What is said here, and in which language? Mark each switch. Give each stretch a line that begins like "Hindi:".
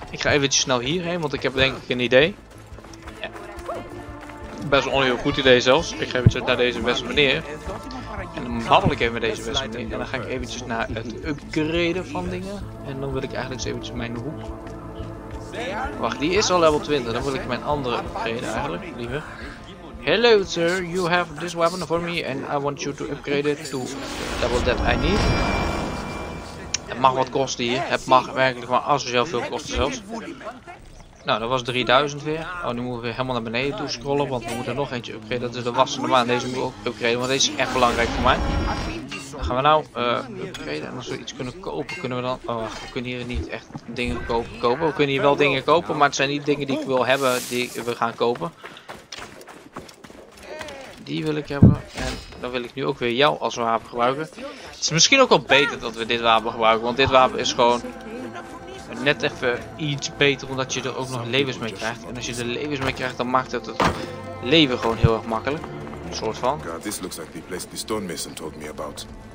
Dutch: Ik ga eventjes snel hierheen, want ik heb denk ik een idee. Ja. Best een onheel goed idee zelfs. Ik ga even naar deze beste meneer. En dan babbel ik even met deze wesp mee. En dan ga ik eventjes naar het upgraden van dingen. En dan wil ik eigenlijk eens eventjes mijn hoek. Wacht, die is al level 20. Dan wil ik mijn andere upgraden eigenlijk, liever.
English: Hello sir, you have this weapon for me and I want you to upgrade it to level that I need.
Dutch: Het mag wat kosten hier. Het mag werkelijk maar asociaal veel kosten zelfs. Nou, dat was 3000 weer. Oh, nu moeten we helemaal naar beneden toe scrollen, want we moeten nog eentje upgraden. Dat is de wassende maan. Deze moet ook upgraden, want deze is echt belangrijk voor mij. Dan gaan we nou upgraden. En als we iets kunnen kopen, kunnen we dan... Oh, we kunnen hier niet echt dingen kopen. We kunnen hier wel dingen kopen, maar het zijn niet dingen die ik wil hebben die we gaan kopen. Die wil ik hebben. En dan wil ik nu ook weer jou als wapen gebruiken. Het is misschien ook wel beter dat we dit wapen gebruiken, want dit wapen is gewoon... Net even iets beter, omdat je er ook nog levens mee krijgt. En als je er levens mee krijgt, dan maakt het leven gewoon heel erg makkelijk. Een soort van.
English: God, this looks like the place the stonemason told me about.